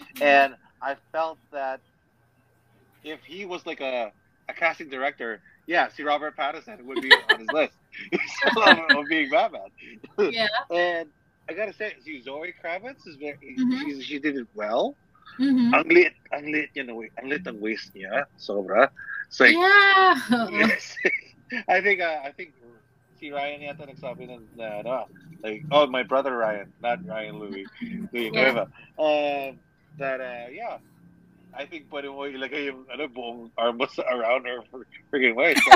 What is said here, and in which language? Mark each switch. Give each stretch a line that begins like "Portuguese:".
English: And I felt that if he was a casting director, yeah, see, Robert Pattinson would be on his list of being Batman. Yeah. And I gotta say, see, Zoe Kravitz is very, she did it well.
Filipino: Ang lit ng waist niya, sobra.
English: So, yes. I think see, Ryan
Filipino: yata nagsabi na,
English: my brother Ryan, not Ryan Louie. Yeah. I think
Filipino: pwede mo ilagay yung buong
English: arm around her freaking way.